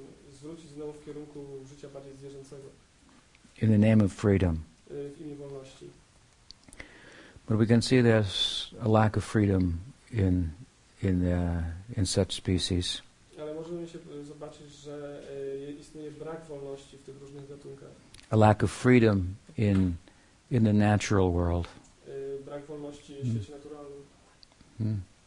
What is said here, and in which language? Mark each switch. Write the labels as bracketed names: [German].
[Polish] Zwrócić znowu w kierunku życia bardziej zwierzęcego. [English] In the name of freedom. [Polish] W imię wolności. [English] But we can see there's a lack of freedom in such species. [Polish] Ale możemy się zobaczyć, że istnieje brak wolności w tych różnych gatunkach. [English] A lack of freedom in the natural world. [Polish] Brak wolności w świecie naturalnym.